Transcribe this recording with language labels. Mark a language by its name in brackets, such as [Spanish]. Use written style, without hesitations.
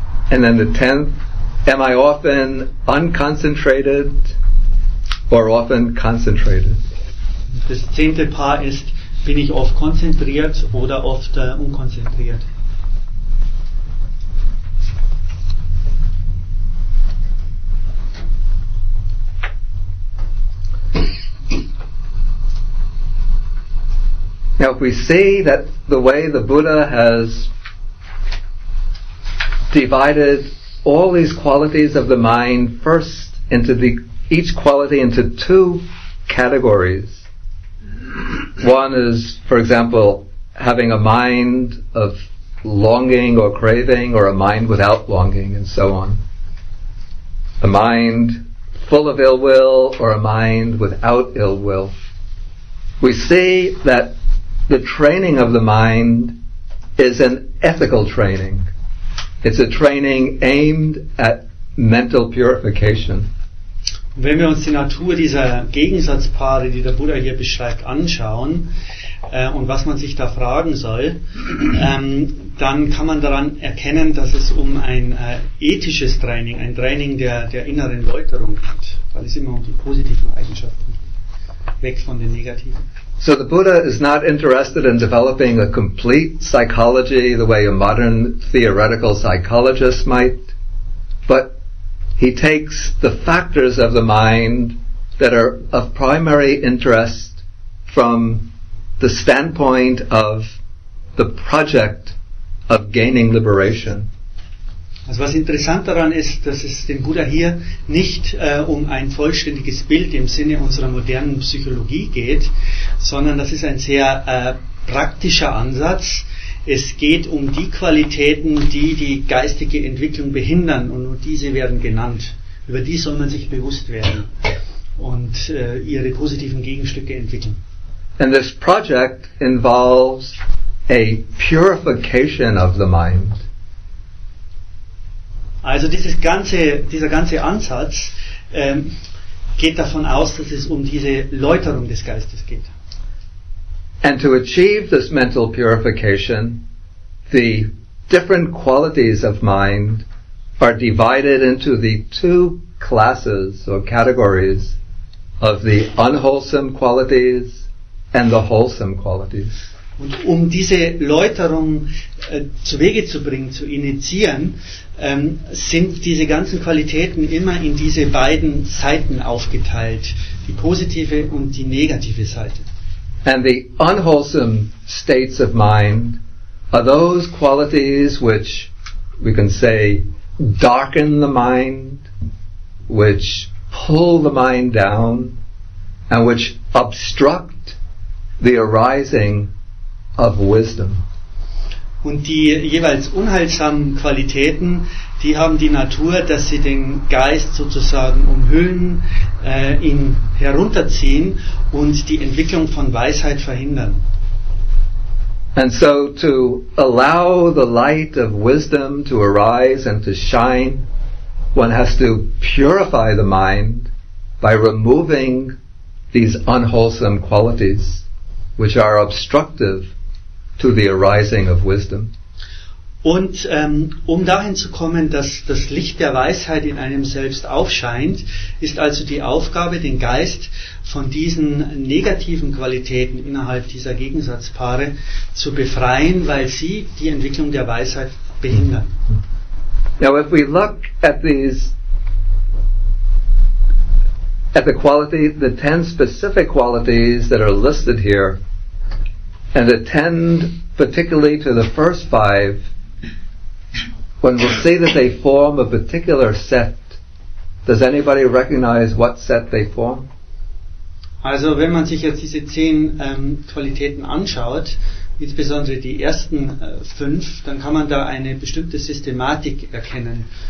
[English] And then the tenth, am I often unconcentrated or often concentrated? [German] Das zehnte Paar ist, bin ich oft konzentriert oder oft unkonzentriert? [English] Now if we see that the way the Buddha has divided all these qualities of the mind first into each quality into two categories. One is, for example, having a mind of longing or craving, or a mind without longing, and so on. A mind full of ill will or a mind without ill will. We see that the training of the mind is an ethical training. It's a training aimed at mental purification. [German] Wenn wir uns die Natur dieser Gegensatzpaare, die der Buddha hier beschreibt, anschauen und was man sich da fragen soll, dann kann man daran erkennen, dass es um ein ethisches Training, ein Training der inneren Läuterung geht, weil es immer um die positiven Eigenschaften weg von den negativen. [English] So the Buddha is not interested in developing a complete psychology the way a modern theoretical psychologist might, but he takes the factors of the mind that are of primary interest from the standpoint of the project of gaining liberation. [German] Also was interessant daran ist, dass es dem Buddha hier nicht um ein vollständiges Bild im Sinne unserer modernen Psychologie geht, sondern das ist ein sehr praktischer Ansatz. Es geht um die Qualitäten, die die geistige Entwicklung behindern, und nur diese werden genannt. Über die soll man sich bewusst werden und ihre positiven Gegenstücke entwickeln. [English] And this project involves a purification of the mind. [German] Also dieser ganze Ansatz geht davon aus, dass es um diese Läuterung des Geistes geht. [English] And to achieve this mental purification, the different qualities of mind are divided into the two classes or categories of the unwholesome qualities and the wholesome qualities. [German] Und um diese Läuterung zu Wege zu bringen, zu initiieren, sind diese ganzen Qualitäten immer in diese beiden Seiten aufgeteilt, die positive und die negative Seite. [English] And the unwholesome states of mind are those qualities which we can say darken the mind, which pull the mind down, and which obstruct the arising of wisdom. [German] Und die jeweils unheilsamen Qualitäten, die haben die Natur, dass sie den Geist sozusagen umhüllen, ihn herunterziehen und die Entwicklung von Weisheit verhindern. [English] And so to allow the light of wisdom to arise and to shine, one has to purify the mind by removing these unwholesome qualities which are obstructive to the arising of wisdom. [German] Und um dahin zu kommen, dass das Licht der Weisheit in einem selbst aufscheint, ist also die Aufgabe, den Geist von diesen negativen Qualitäten innerhalb dieser Gegensatzpaare zu befreien, weil sie die Entwicklung der Weisheit behindern. [English] Now if we look at these, at the quality, the 10 specific qualities that are listed here, and attend particularly to the first 5, when we'll see that they form a particular set, does anybody recognize what set they form? [German] Also wenn man sich jetzt diese 10 Qualitäten anschaut, insbesondere die ersten 5, dann kann man da eine bestimmte Systematik erkennen.